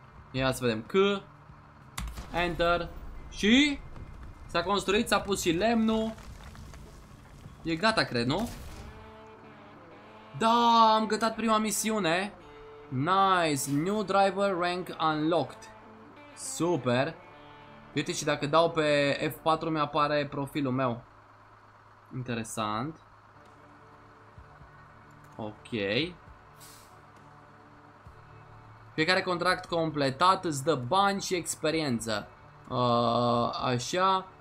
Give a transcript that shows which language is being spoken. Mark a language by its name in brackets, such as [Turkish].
[Romanian] Ia să vedem. C. Enter. Și s-a construit, s-a pus și lemnul. E gata, cred, nu? Da, am gătat prima misiune. [English] Nice. New driver rank unlocked. [Romanian] Super. Uite, și dacă dau pe F4 mi-apare profilul meu. Interesant. Ok. Fiecare contract completat îți dă bani și experiență. Așa.